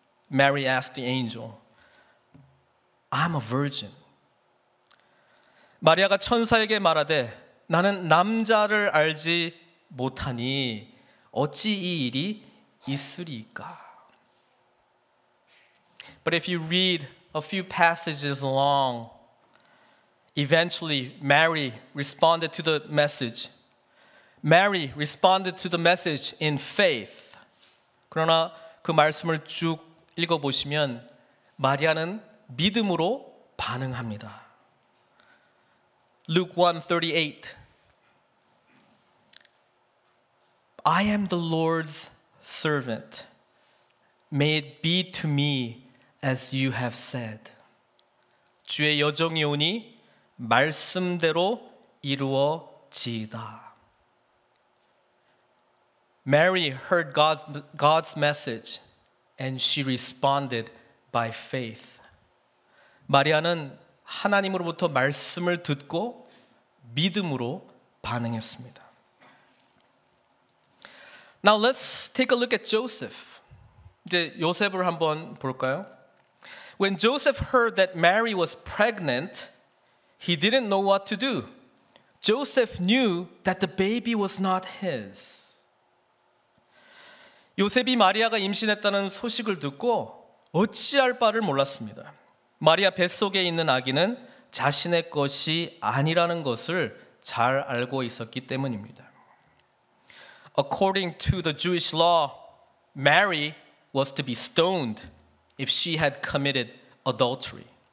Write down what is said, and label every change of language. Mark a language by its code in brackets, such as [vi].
[en] Mary asked the angel. I'm a virgin. [ko] 마리아가 천사에게 말하되 나는 남자를 알지 못하니 어찌 이 일이 있으리까? [en] But if you read a few passages along, eventually Mary responded to the message. Mary responded to the message in faith. [ko] 그러나 그 말씀을 쭉 읽어보시면 마리아는 믿음으로 반응합니다. [en] Luke 1:38. I am the Lord's servant. May it be to me as you have said. [ko] 주의 여종이 오니 말씀대로 이루어지이다. [en] Mary heard God's message and she responded by faith. [ko] 마리아는 하나님으로부터 말씀을 듣고 믿음으로 반응했습니다. [en] Now let's take a look at Joseph. [ko] 이제 요셉을 한번 볼까요? [en] When Joseph heard that Mary was pregnant, he didn't know what to do. Joseph knew that the baby was not his. [ko] 요셉이 마리아가 임신했다는 소식을 듣고 어찌할 바를 몰랐습니다. 마리아 뱃속에 있는 아기는 자신의 것이 아니라는 것을 잘 알고 있었기 때문입니다. [en] According to the Jewish law, Mary was to be stoned if she had committed adultery.